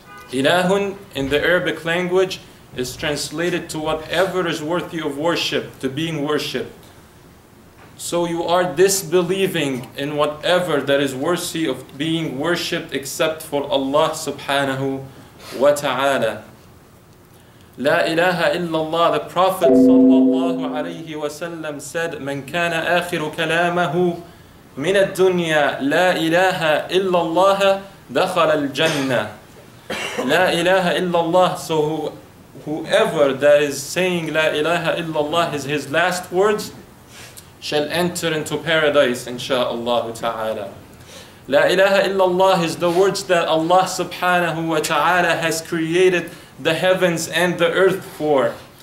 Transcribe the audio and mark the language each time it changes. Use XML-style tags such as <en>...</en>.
<en>Ilahun in the Arabic language is translated to whatever is worthy of worship, to being worshipped. So you are disbelieving in whatever that is worthy of being worshipped except for Allah subhanahu wa ta'ala. La ilaha illallah, the Prophet sallallahu alayhi wa sallam said,</en> <ar>من كان آخر كلامه من الدنيا لا إله إلا الله دخل الجنة. لا إله إلا الله,</ar> <en>so whoever that is saying La ilaha illallah is his last words, shall enter into paradise, insha'Allah ta'ala. La ilaha illallah is the words that Allah subhanahu wa ta'ala has created the heavens and the earth for.</en>